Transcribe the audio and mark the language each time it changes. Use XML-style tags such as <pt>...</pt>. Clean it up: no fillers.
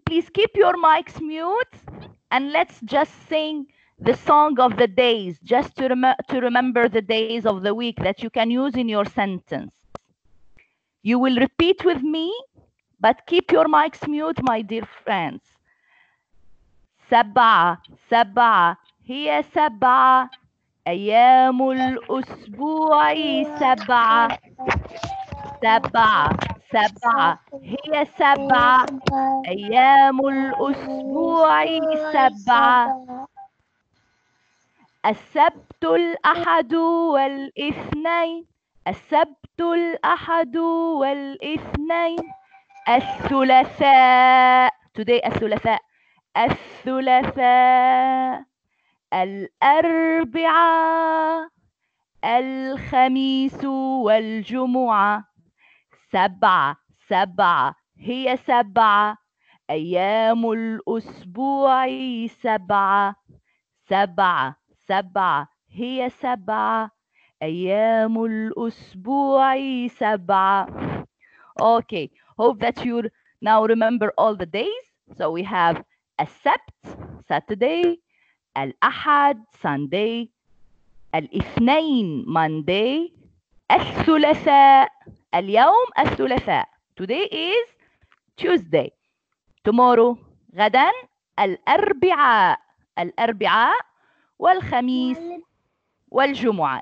<en>Please keep your mics mute and let's just sing the song of the days, just to remember the days of the week that you can use in your sentence. You will repeat with me, but keep your mics mute, my dear friends.</en> <ar>سبعة سبعة هي سبعة أيام الأسبوع سبعة سبعة سبعة هي سبعة أيام الأسبوع سبعة السبت الأحد والاثنين السبت الأحد والاثنين الثلاثاء</ar> <en>today</en> <ar>الثلاثاء الثلاثاء الأربعاء الخميس والجمعة سبعة سبعة هي سبعة أيام الأسبوع سبعة سبعة سبعة هي سبعة أيام الأسبوع سبعة.</ar> <en>Okay, hope that you now remember all the days. So we have</en> <ar>السبت Saturday, الأحد Sunday, الاثنين Monday, الثلاثاء اليوم الثلاثاء</ar> <en>today is Tuesday, tomorrow</en> <ar>غدا الأربعاء الأربعاء والخميس والجمعة.</ar>